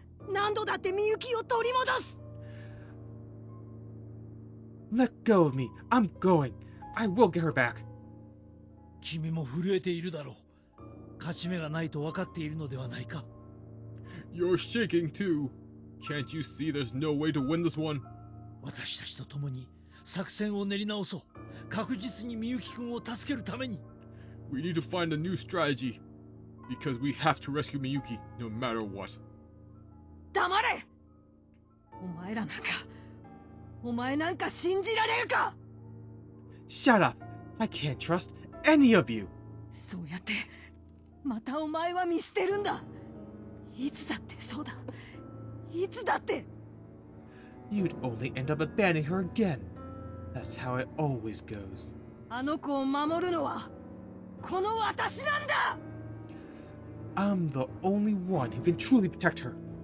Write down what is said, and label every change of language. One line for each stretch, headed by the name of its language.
Japanese: 何度だってミユキを取り戻す!
English: Let go of me. I'm going. I will get her back.
Japanese: 君も震えているだろう。勝ち目がないと分かっているのではないか?
English: You're shaking too. Can't you see there's no way to win this one?
Japanese: 私たちと共に作戦を練り直そう。確実にミユキ君を助けるために。
English: We need to find a new strategy. Because we have to rescue Miyuki, no matter what.
Japanese: 黙れ! お前らなんか… お前なんか信じられるか!
English: Shut up! I can't trust any of you!
Japanese: そうやって… またお前は見捨てるんだ! いつだってそうだ… いつだって…
English: You'd only end up abandoning her again. That's how it always goes.
Japanese: あの子を守るのは、この私なんだ!
English: I'm the only one who can truly protect her.